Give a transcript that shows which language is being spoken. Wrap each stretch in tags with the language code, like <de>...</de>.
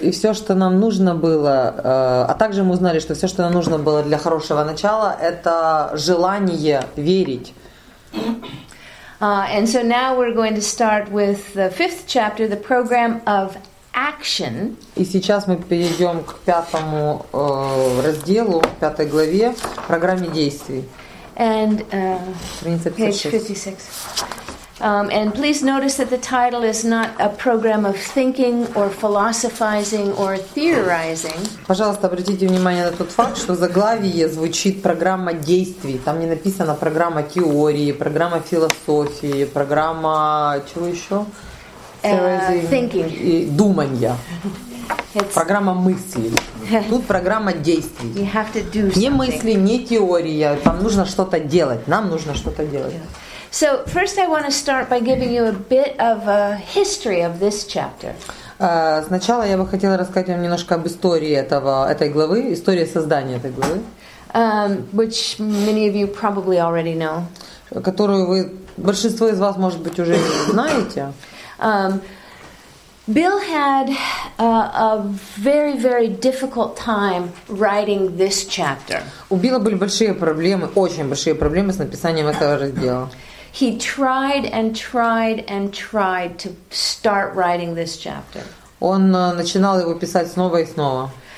<ru>И все, что нам нужно было, а также мы узнали, что все, что нам нужно было для хорошего начала, это желание верить.</ru> <en>And so now we're going to start with the fifth chapter, the program of action.</en> <ru>И сейчас мы перейдем к пятому разделу, пятой главе, программе действий.</ru> <en>And page 56. And please notice that the title is not a program of thinking or philosophizing or theorizing.</en> <ru>Пожалуйста, обратите внимание на тот факт, что в заглавии звучит программа действий. Там не написано программа теории, программа философии, программа чего еще?</ru> <en>Thinking.</en> <ru>И думанья. Программа мыслей. Тут программа действий.</ru> <en>You have to do something.</en> <ru>Не мысли, не теория. Там нужно что-то делать. Нам нужно что-то делать. Yeah.</ru> <en>So first I want to start by giving you a bit of a history of this chapter.</en> <ru>Сначала я бы хотела рассказать вам немножко об истории этой главы, история создания этой главы.</ru> <en>Which many of you probably already know.</en> <ru>Которую вы, большинство из вас, может быть, уже знаете.</ru> <en>Bill had a very, very difficult time writing this chapter.</en> <ru>У Билла были большие проблемы, очень большие проблемы с написанием этого раздела.</ru> <en>He tried and tried and tried to start writing this chapter.</en> <ru>Он начинал его писать снова и снова.</ru>